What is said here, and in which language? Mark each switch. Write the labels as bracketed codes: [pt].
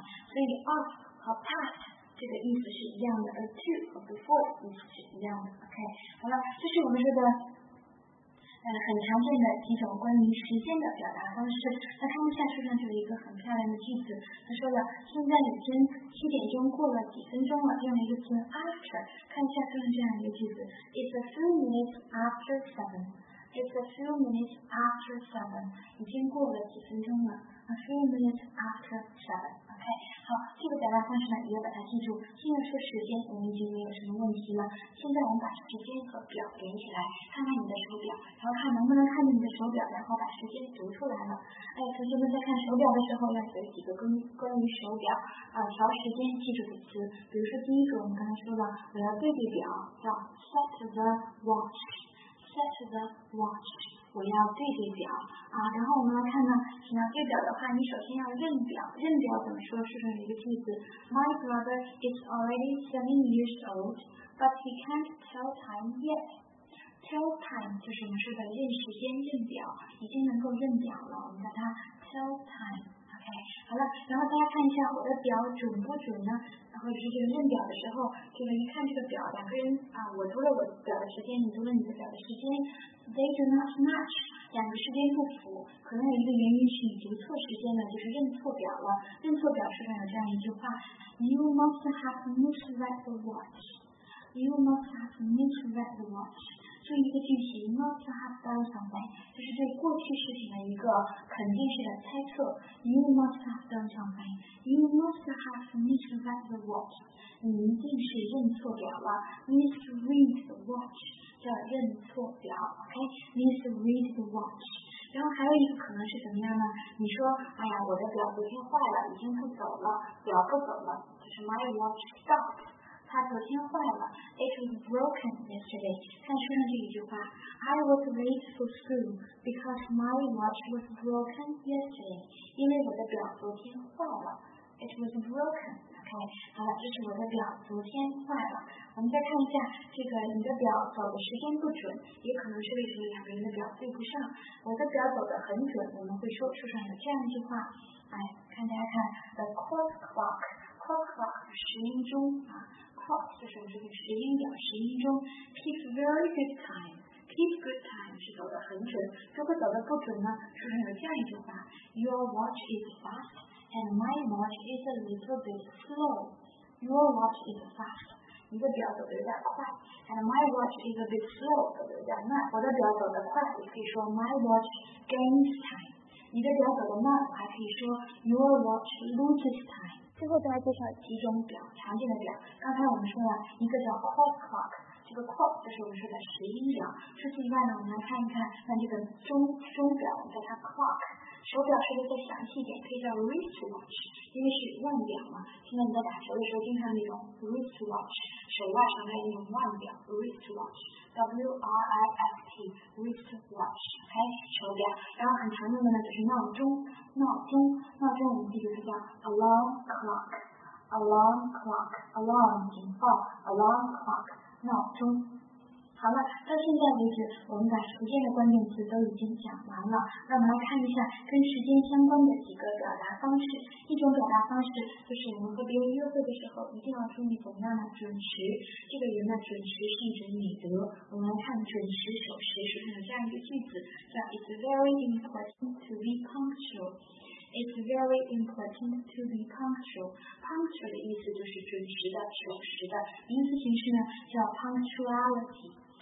[zh] 所以 of 和 past 这个意思是一样的，而 to 和 before 意思是一样的 ，OK， 好了，这是我们说的。很常见的几种关于时间的表达方式。那看一下书上就有一个很漂亮的句子，他说了现在已经七点钟过了几分钟了，用了一个词 after。看一下书上这样一个句子， [en] It's a few minutes after seven， It's a few minutes after seven， [zh] 已经过了几分钟了， [en] A few minutes after seven， OK。 [zh] 好，这个表达方式呢也要把它记住，现在说时间我们已经没有什么问题了，现在我们把时间和表连起来，看看你的手表，然后看能不能看见你的手表，然后把时间读出来了。哎，同学们在看手表的时候要学几个关于手表调时间记住的词。比如说第一个我们刚刚说的，我要对对表，叫 [en] set the watch， set the watch， [zh] 我要对对表啊。然后我们来看呢，想要对表的话，你首先要认表。认表怎么说？书上有一个句子， [en] My brother is already 7 years old， but he can't tell time yet。 Tell time [zh] 就是我们说的认时间、认表，已经能够认表了，我们叫它 tell time。 OK， 好了，然后大家看一下我的表准不准呢？然后就是认表的时候，这个一看这个表，两个人啊，我读了我表的时间，你读了你的表的时间 ， [en] they do not match， [zh] 两个时间不符。可能有一个原因是你读错时间了，就是认错表了。认错表书上有这样一句话 ： [en] You must have misread the watch。 You must have misread the watch。 [zh] 注意一个句型 ， [en] not to have done something， [zh] 就是对过去事情的一个肯定式的猜测。 [en] You must have done something. You must have misread the watch. [zh] 你一定是认错表了。 Misread the watch 叫认错表 ，OK？ [en] Misread the watch。 [zh] 然后还有一个可能是怎么样呢？你说，哎呀，我的表昨天坏了，已经不走了，表不走了，就是 [en] my watch stopped。 [zh] 它昨天坏了 [en] ，It was broken yesterday。 [zh] 看书上这一句话 [en] ，I was late for school because my watch was broken yesterday。 [zh] 因为我的表昨天坏了 ， [en] It was broken。 [zh] OK， 好了，这是我的表昨天坏了。我们再看一下这个，你的表走的时间不准，也可能是为什么两个人的表对不上。我的表走的很准，我们会说书上有这样一句话，来看大家看 ，The court clock，court clock 时音钟啊。 Clock 就是这个时间表，时间钟 [en] keeps very good time， keep good time [zh] 是走得很准。如果走得不准呢，书上有这样一句话， [en] Your watch is fast and my watch is a little bit slow。 Your watch is fast， [zh] 你的表走得有点快， [en] and my watch is a bit slow， [zh] 走得有点慢。我的表走得快，我可以说 [en] my watch gains time。 [zh] 你的表走得慢，我还可以说 [en] your watch loses time。 [zh] 最后再来介绍几种表，常见的表。刚才我们说了一个叫 clock clock， 这个 clock 就是我们说的时音表。除此以外呢，我们来看一看，那这个钟表，我们叫它 clock。手表说的再详细一点，可以叫 [en] wrist watch， [zh] 因为是腕表嘛。现在你在打球的时候，经常那种 wrist watch， 手腕上还有那种腕表 wrist watch。 W R I S T wrist watch， OK， 手表。然后很常用的呢就是闹钟，闹钟我们记住是叫 [en] alarm clock， [zh] alarm clock， alarm 警报， alarm clock 闹钟。好了，到现在为止，我们把时间的关键词都已经讲完了。那我们来看一下跟时间相关的几个表达方式。一种表达方式就是我们和别人约会的时候，一定要注意怎么样的准时。这个人的准时是一种美德。我们来看准时守时，实际上有这样一个句子，叫 [en] It's very important to be punctual。 It's very important to be punctual. [zh] Punctual 的意思就是准时的、守时的。名词形式呢叫 punctuality。